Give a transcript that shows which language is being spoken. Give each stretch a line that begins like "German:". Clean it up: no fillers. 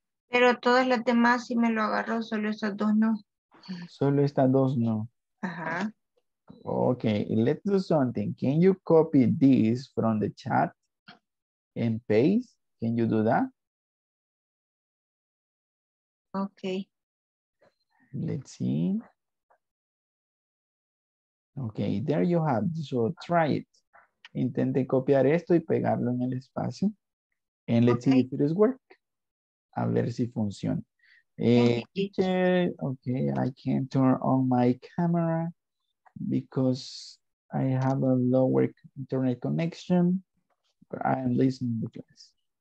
Spanish: Pero todas las demás sí me lo agarró, solo esas dos no. Solo estas dos no. Ajá.
English: Okay, let's do something. Can you copy this from the chat and paste? Can you do that? Okay. Let's see. Okay, there you have. So try it.
Spanish: Intente copiar esto y pegarlo en el espacio.
English: And let's okay. See if it is work. A ver si funciona. Teacher, okay, I can't turn on my camera because I have a lower internet connection, but I am listening to class.